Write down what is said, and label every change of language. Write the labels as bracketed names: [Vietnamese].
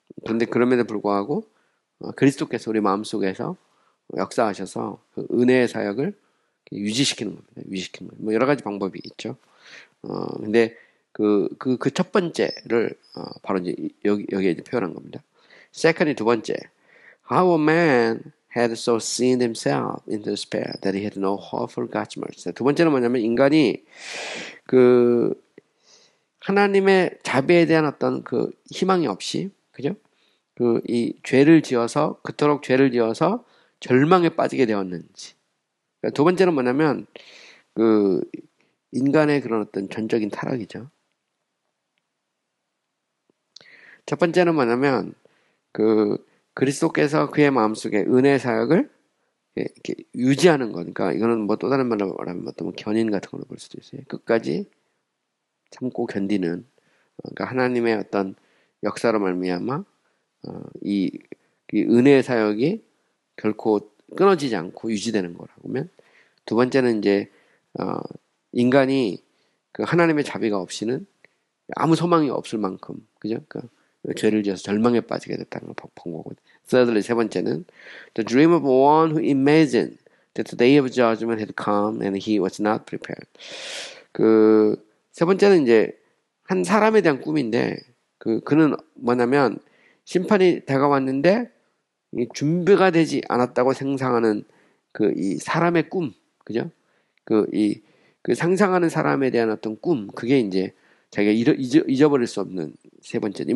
[Korean] 그런데 그럼에도 불구하고 그리스도께서 우리 마음속에서 역사하셔서 그 은혜의 사역을 유지시키는 겁니다. 유지시키는 거예요. 뭐 여러 가지 방법이 있죠. 근데 그첫 번째를 바로 이제 여기에 이제 표현한 겁니다. Second이 두 번째. [English] How a man had so seen himself in despair that he had no hope for God's mercy. [Korean] 두 번째는 뭐냐면 인간이 그 하나님의 자비에 대한 어떤 그 희망이 없이 그죠? 그이 죄를 지어서 그토록 죄를 지어서 절망에 빠지게 되었는지. 두 번째는 뭐냐면 그 인간의 그런 어떤 전적인 타락이죠. 첫 번째는 뭐냐면 그 그리스도께서 그의 마음속에 은혜 사역을 이렇게 유지하는 거니까 이거는 뭐또 다른 말로 말하면 어떤 뭐 견인 같은 걸로 볼 수도 있어요. 끝까지 참고 견디는 그러니까 하나님의 어떤 역사로 말미암아 이 은혜 사역이 결코 끊어지지 않고 유지되는 거라고 하면. 두 번째는 이제 인간이 그 하나님의 자비가 없이는 아무 소망이 없을 만큼, 그죠? 그 죄를 지어서 절망에 빠지게 됐다는 걸본 거고. [English] Thirdly, [Korean] 세 번째는, [English] The dream of one who imagined that the day of judgment had come and he was not prepared. [Korean] 그, 세 번째는 이제, 한 사람에 대한 꿈인데, 그는 뭐냐면, 심판이 다가왔는데, 준비가 되지 않았다고 상상하는 그, 이 사람의 꿈, 그죠? 그 상상하는 사람에 대한 어떤 꿈, 그게 이제, 자기가 잊어버릴 수 없는 세 번째.